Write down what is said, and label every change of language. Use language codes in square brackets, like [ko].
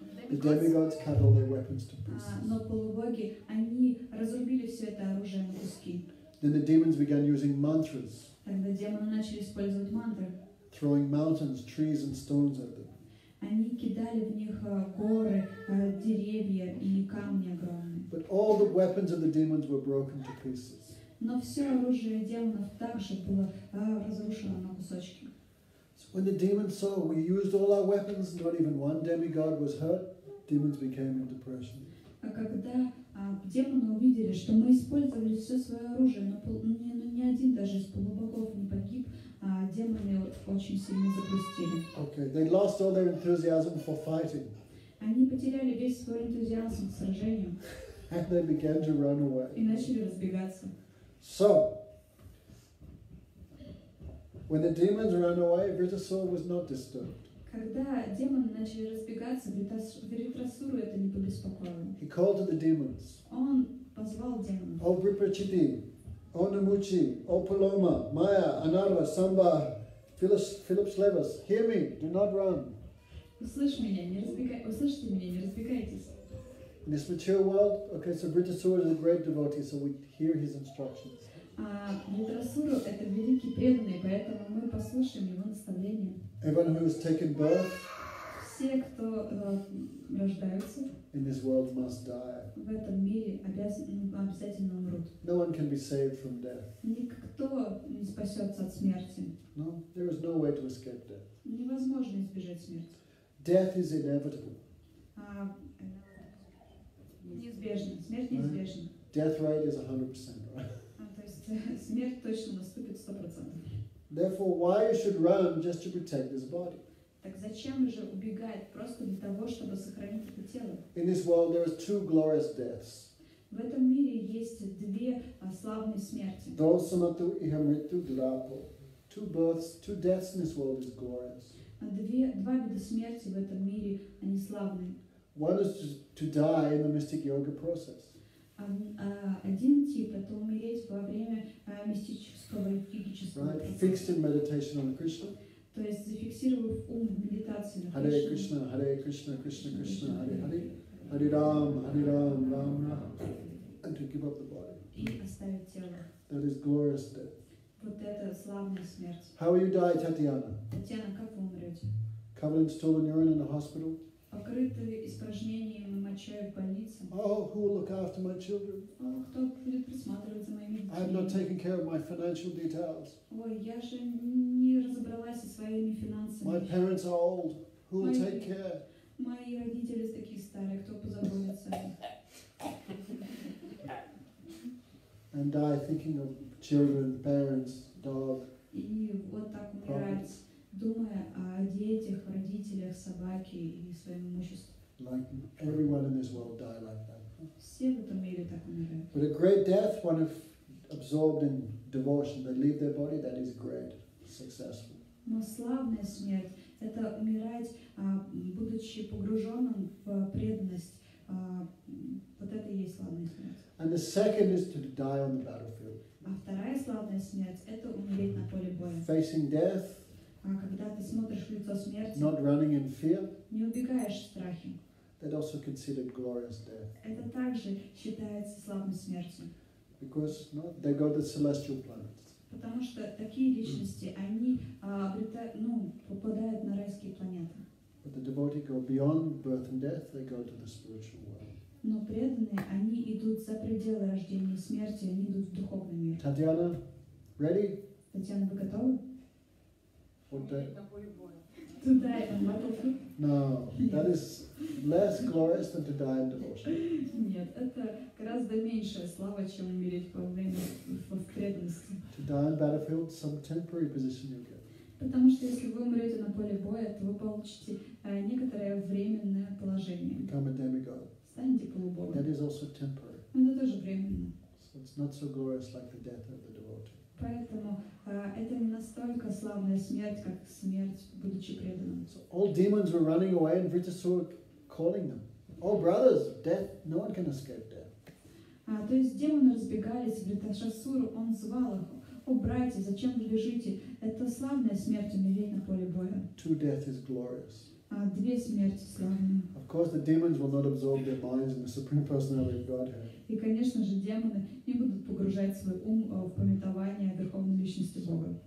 [en] The demigods cut all their weapons to pieces. [ru] Но полубоги, они разрубили все это оружие на куски. [en] Then the demons began using mantras. [ru] Тогда демоны начали использовать мантры. [en] Throwing mountains, trees, and stones at them. [ru] Они кидали в них горы, деревья и камни огромные. [en] But all the weapons of the demons were broken to pieces. [ru] Но все оружие демонов также было разрушено на кусочки. [en] So when the demons saw we used all our weapons, not even one demigod was hurt, demons became in depression. [ru] А когда демоны увидели, что мы использовали все свое оружие, но ни один даже из полубогов не погиб. Демоны очень сильно загрустили. [en] Okay, they lost all their enthusiasm for fighting. [ru] Они потеряли весь свой энтузиазм к сражению. [en] And they began to run away. [ru] И начали разбегаться. [en] So, when the demons ran away, Vritasura was not disturbed. [ru] Когда демоны начали разбегаться, Вритасуру это не побеспокоило. [en] He called to the demons. [ru] Он позвал демонов. О Врипричити. [en] О Намучи, О Палома, Майя, Анарва, Самба, Филипс Левис, hear me, do not run. [ru] Услышьте меня, не разбегайтесь. [en] In this material world, okay, so Vritasura is a great devotee, so we hear his instructions. [ru] Vritasura – это великий преданный, поэтому мы послушаем его наставления. [en] Everyone who has taken birth, [ru] все, кто рождаются, [en] in this world must die. [ru] В этом мире обязательно умрут. [en] No one can be saved from death. [ru] Никто не спасется от смерти. [en] No, there is no way to escape death. [ru] Невозможно избежать смерти. [en] Death is inevitable. [ru] Неизбежно. Смерть неизбежна. [en] Right? Death rate is 100%, right? [ru] То есть смерть точно наступит 100%. [en] Therefore, why you should run just to protect this body? [ru] Так зачем же убегать просто для того, чтобы сохранить это тело? [en] In this world there are two glorious deaths. [ru] В этом мире есть две славные смерти. Досамату и хамриту глапо. [en] Two births, two deaths in this world is glorious. [ru] Два вида смерти в этом мире, они славные. [en] One is to die in the mystic yoga process. [ru] Один тип – это умереть во время мистического йогического процесса. [en] Right, fixed in meditation on Krishna. [ru] То есть зафиксировав ум в медитации на [sa] Харе Кришна, Харе Кришна, Кришна Кришна, Харе Харе, Харе Рам, Харе Рам, Рам Рам, [en] and to give up the body. [ru] И оставить тело. [en] That is glorious death. [ru] Вот это славная смерть. [en] How will you die, Татьяна? [ru] Татьяна, как вы умрете? [en] Covered in stolen urine in the hospital. [ru] Покрытые испражнениями мочой в больнице. [en] Oh, who will look after my children? [ru] Кто будет присматривать за моими детьми? [en] I have not taken care of my financial details. [ru] Ой, я же не разобралась со своими финансами. [en] My parents are old. Who will take care? [ru] Мои родители такие старые. Кто позаботится о них? [en] And die thinking of children, parents, dog. [ru] И вот так умирает. Думая о детях, родителях, собаке и своем имуществе. [en] Like everyone in this world die like that. [ru] Все в этом мире так умирают. [en] But a great death, one if absorbed in devotion, they leave their body, that is great, successful. [ru] Но славная смерть – это умирать, будучи погруженным в преданность. Вот это и есть славная смерть. [en] And the second is to die on the battlefield. [ru] А вторая славная смерть – это умереть на поле боя. [en] Facing death. [ru] А когда ты смотришь в лицо смерти, [en] not running in fear, [ru] не убегаешь в страхе, [en] That also considered glorious death. [ru] Это также считается славной смертью. [en] Because no, they got the celestial planets. [ru] Потому что такие личности, они попадают на райские планеты. [en] But the devotee go beyond birth and death, they go to the spiritual world. [ru] Но преданные, они идут за пределы рождения и смерти, они идут в духовный мир. [en] Татьяна, ready? [ru] Татьяна, вы готовы? [en] What the... To die in battlefield? No, that is less glorious than to die in devotion. [ru] Нет, это гораздо меньшая слава, чем умереть во время в преданности. [en] To die in battlefield, some temporary position you get. [ru] Потому что если вы умрете на поле боя, то вы получите некоторое временное положение. [en] Become a demigod. [ru] Станете полубогом. [en] That is also temporary. [ru] Это тоже временно. [en] So it's not so glorious like the death of the devotee. [ru] Поэтому это не настолько славная смерть, как смерть, будучи преданным. [en] So all demons were running away and Vritasura calling them. Oh, brothers, death, no one can escape death. [ru] То есть демоны разбегались, Вритасура, он звал их. О, братья, зачем вы бежите? Это славная смерть, умереть на поле боя. Two death is glorious. Две смерти славные. Of course, the demons will not absorb their minds in the Supreme Personality of Godhead. И, конечно же, демоны не будут погружать свой ум в памятование о Верховной Личности Бога.